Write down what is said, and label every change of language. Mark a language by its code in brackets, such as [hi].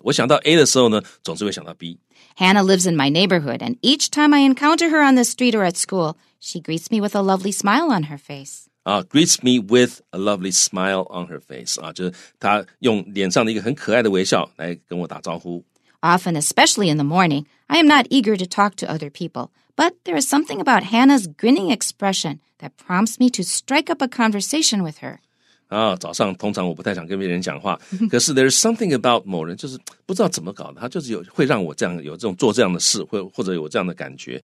[zh] 我想到 A 的时候呢，总是会想到 B. [en] Hannah lives in my neighborhood, and each time I encounter her on the street or at school, she greets me with a lovely smile on her face. Greets me with a lovely smile on her face. [zh] 就是她用脸上的一个很可爱的微笑来跟我打招呼。 [en] Often, especially in the morning, I am not eager to talk to other people. But there is something about Hannah's grinning expression that prompts me to strike up a conversation with her. [zh] 早上通常我不太想跟别人讲话，可是 [en] there is something about [zh] 某人就是不知道怎么搞的，他就是有会让我这样有这种做这样的事，或者有这样的感觉。